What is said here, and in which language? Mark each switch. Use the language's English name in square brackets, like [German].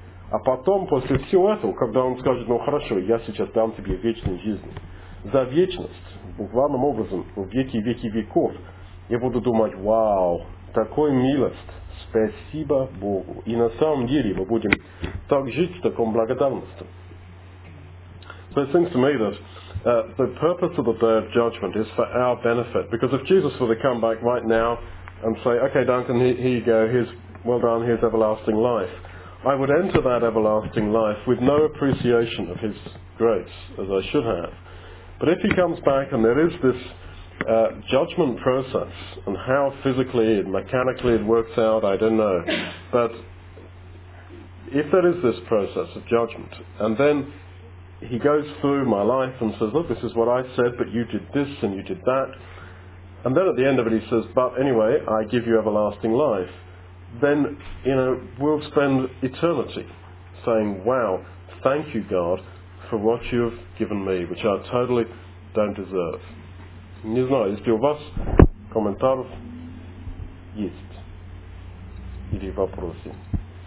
[Russian] А потом, после всего этого, когда он скажет, ну, хорошо, я сейчас дам тебе вечную жизнь, за вечность, главным образом, в веки и веки веков, я буду думать, вау, такой милость, спасибо Богу. И на самом деле мы будем так жить в таком благодарности. [English] So it seems to me that the purpose of the day of judgment is for our benefit. Because if Jesus were to come back right now and say, okay, Duncan, here you go, here's, well done, here's everlasting life. I would enter that everlasting life with no appreciation of his grace, as I should have. But if he comes back and there is this judgment process, and how physically and mechanically it works out, I don't know. But if there is this process of judgment, and then he goes through my life and says, look, this is what I said, but you did this and you did that. And then at the end of it he says, but anyway, I give you everlasting life. Then, you know, we'll spend eternity saying, wow, thank you, God, for what you have given me, which I totally don't deserve. [Russian] Не знаю, есть ли у вас комментарии? Есть. Или вопросы?